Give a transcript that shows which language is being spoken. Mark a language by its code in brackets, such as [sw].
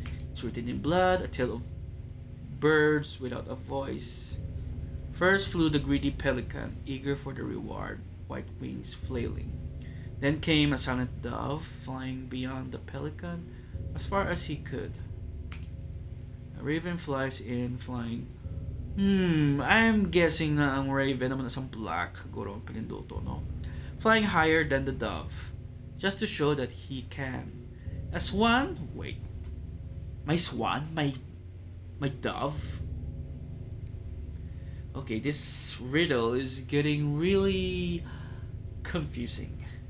[en] It's written in blood, a tale of birds without a voice. First flew the greedy pelican, eager for the reward, white wings flailing. Then came a silent dove, flying beyond the pelican as far as he could. A raven flies in, flying. I'm guessing [tl] na ang raven naman isang black guro ang pinindoto, no? [en] Flying higher than the dove, just to show that he can. A swan? Wait. My swan? My dove? Okay, this riddle is getting really confusing.